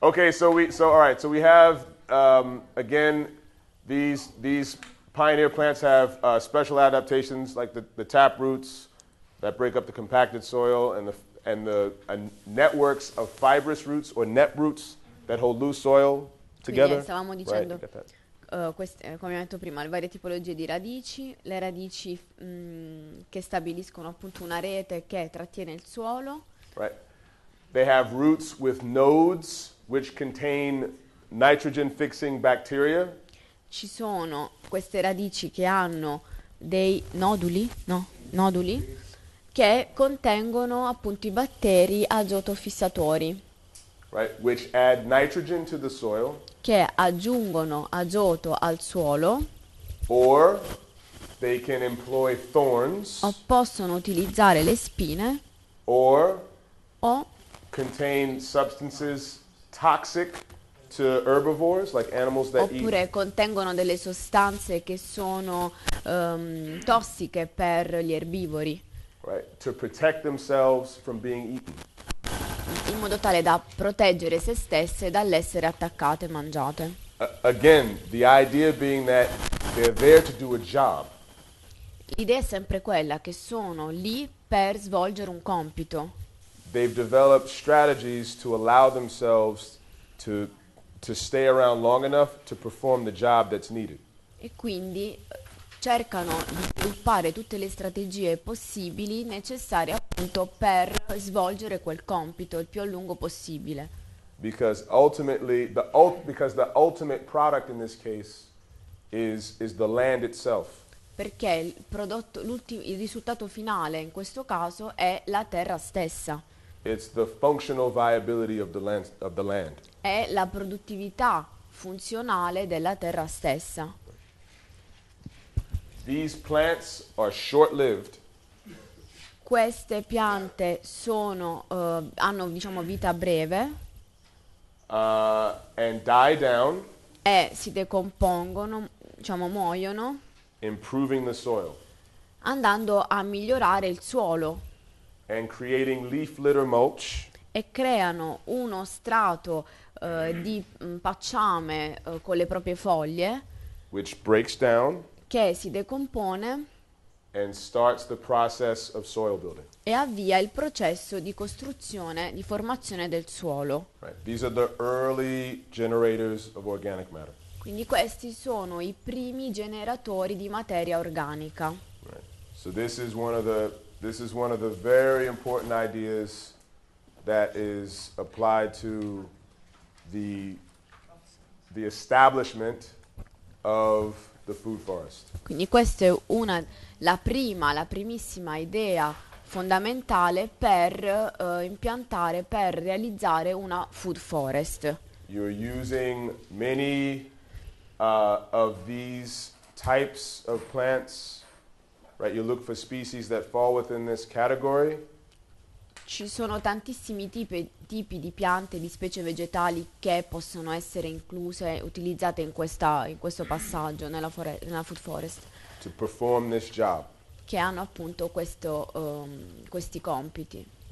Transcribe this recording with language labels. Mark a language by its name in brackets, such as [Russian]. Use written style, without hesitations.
[English] So we have again these pioneer plants have special adaptations like the tap roots that break up the compacted soil and the networks of fibrous roots or net roots that hold loose soil together. [Italian] Quindi, stavamo dicendo. [English] Right, [Italian] queste, come ho detto prima, le varie tipologie di radici, le radici che stabiliscono appunto una rete che trattiene il suolo. [English] Right. They have roots with nodes which contain nitrogen fixing bacteria. [Italian] Ci sono queste radici che hanno dei noduli, no, noduli che contengono appunto i batteri azoto fissatori. [English] Right, which add nitrogen to the soil. [Italian] Che aggiungono azoto al suolo. [English] Or they can employ thorns. [Italian] O possono utilizzare le spine. [English] Or [Italian] o [English] contain substances toxic to herbivores, like animals that eat. [Italian] Oppure contengono delle sostanze che sono tossiche per gli erbivori. [English] Right, to protect themselves from being eaten. [Italian] In modo tale da proteggere se stesse dall'essere attaccate e mangiate. [English] Again, the idea being that they're there to do a job. [Italian] L'idea è sempre quella che sono lì per svolgere un compito. [English] They've developed strategies to allow themselves to stay around long enough to perform the job that's needed. [Italian] E quindi cercano di sviluppare tutte le strategie possibili necessarie appunto per svolgere quel compito il più a lungo possibile. [English] Because ultimately the ultimate product in this case is the land itself. [Italian] Perché il prodotto il risultato finale in questo caso è la terra stessa. [English] It's the functional viability of the land. [Italian] È la produttività funzionale della terra stessa. [English] These plants are short-lived. [Italian] Queste piante sono hanno diciamo vita breve. [English] And die down. [Italian] E si decompongono, diciamo muoiono. [English] Improving the soil. [Italian] Andando a migliorare il suolo. [English] And creating leaf litter mulch. [Italian] E creano uno strato di pacciame con le proprie foglie. [English] Which breaks down. [Italian] Che si decompone. [English] And starts the process of soil building. [Italian] E avvia il processo di costruzione, di formazione del suolo. [English] Right. These are the early generators of organic matter. [Italian] Quindi questi sono i primi generatori di materia organica. [English] Right. So this is one of the very important ideas that is applied to the establishment of the food forest. [Italian] Quindi questa è una la primissima idea fondamentale per impiantare, per realizzare una food forest. [English] You're using many of these types of plants. Right, you look for species that fall within this category. [Italian] Ci sono tantissimi tipi di piante, di specie vegetali che possono essere incluse, utilizzate in questo passaggio nella food forest. [English] To perform this job. [Italian] Che hanno appunto questi compiti.